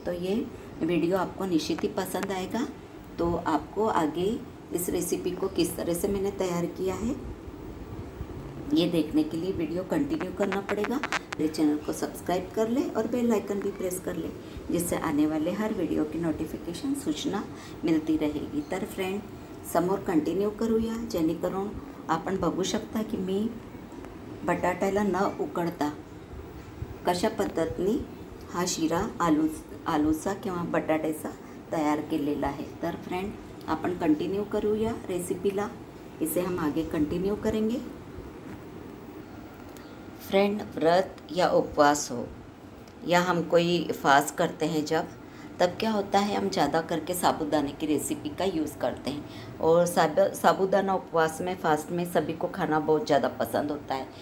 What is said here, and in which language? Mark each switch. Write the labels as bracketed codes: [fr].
[hi] तो ये वीडियो आपको निश्चित ही पसंद आएगा। तो आपको आगे इस रेसिपी को किस तरह से मैंने तैयार किया है ये देखने के लिए वीडियो कंटिन्यू करना पड़ेगा। मेरे चैनल को सब्सक्राइब कर ले और बेल आइकन भी प्रेस कर ले, जिससे आने वाले हर वीडियो की नोटिफिकेशन सूचना मिलती रहेगी। [mr] तर फ्रेंड समोर कंटिन्यू करूया, जेणेकरून आपण बघू शकता की मी बटाट्याला न उकळता कशा पद्धतीने हा शिरा आलूचा किंवा बटाट्याचा तयार केलेला आहे। तर फ्रेंड आपण कंटिन्यू करूया रेसिपीला, [hi] इसे हम आगे कंटिन्यू करेंगे। फ्रेंड व्रत या उपवास हो या हम कोई फास्ट करते हैं, जब तब क्या होता है, हम ज़्यादा करके साबूदाने की रेसिपी का यूज़ करते हैं और साबूदाना उपवास में फास्ट में सभी को खाना बहुत ज़्यादा पसंद होता है।